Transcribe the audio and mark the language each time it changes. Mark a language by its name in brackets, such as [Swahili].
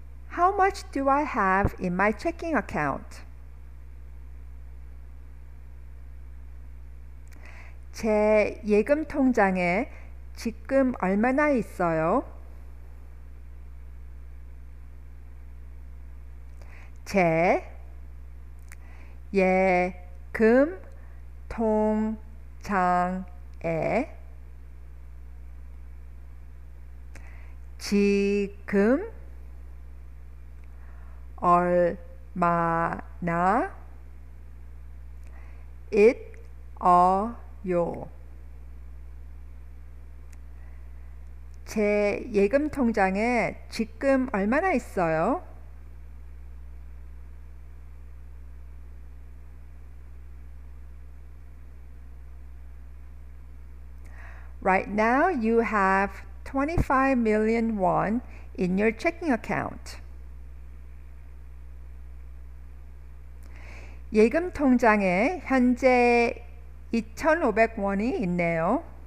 [English] How much do I have in my checking account? [Korean] 제 예금 통장에 지금 얼마나 있어요? 제 예금 통장에 지금 얼마나 있어요? 제 예금 통장에 지금 얼마나 있어요? [English] Right now, you have 25 million won in your checking account. [Korean] 예금 통장에 현재 2,500 원이 있네요.